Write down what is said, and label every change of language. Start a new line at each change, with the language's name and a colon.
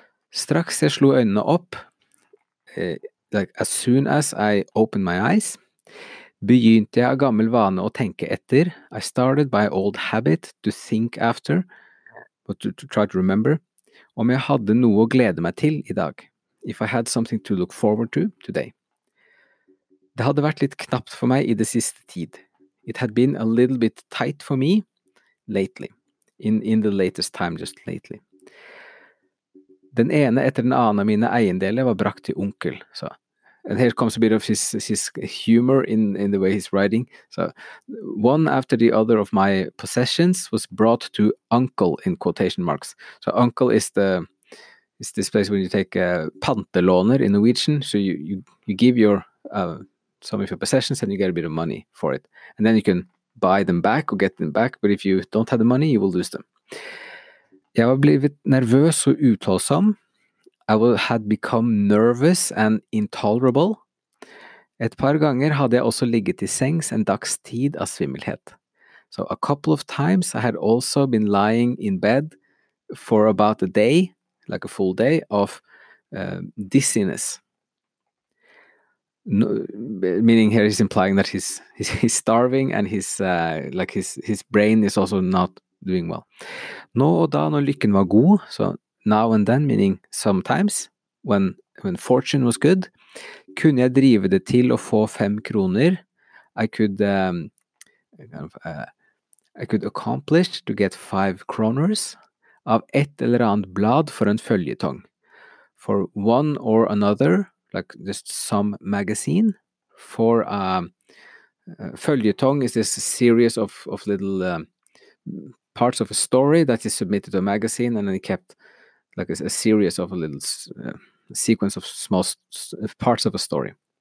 Norwegian: Straks jeg slo øynene opp,
English: like as soon as I opened my eyes,
Norwegian: begynte jeg av gammel vane å tenke etter.
English: I started by old habit to think after, but to try to remember,
Norwegian: om jeg hadde noe å glede meg til I dag.
English: If I had something to look forward to today.
Norwegian: Det hadde vært litt knapt for meg I det siste tid.
English: It had been a little bit tight for me lately. In the latest time, just lately.
Norwegian: Den ene etter den andre av mine eiendeler var brakt til onkel.
English: So, and here comes a bit of his humor in the way he's writing. So, one after the other of my possessions was brought to uncle, in quotation marks. So, uncle is the, it's this place where you take pantelåner in Norwegian. So, you give your, some of your possessions and you get a bit of money for it. And then you can buy them back or get them back. But if you don't have the money, you will lose them.
Norwegian: Jeg var blivit nervøs og utålsom.
English: Had become nervous and intolerable.
Norwegian: Et par ganger hadde jeg også ligget I sengs en dags tid av svimmelhet.
English: So a couple of times I had also been lying in bed for about a day, like a full day, of dizziness. No, meaning here he's implying that he's starving and his brain is also not doing well.
Norwegian: Nå og da når lykken var god,
English: so now and then, meaning sometimes, when fortune was good,
Norwegian: kunne jeg drive det til å få fem kroner.
English: I could accomplish to get five kroners
Norwegian: av et eller annet blad for en føljetong.
English: For one or another, like just some magazine, for a føljetong is this series of little parts of a story that is submitted to a magazine, and then he kept like a series of a little sequence of small parts of a story.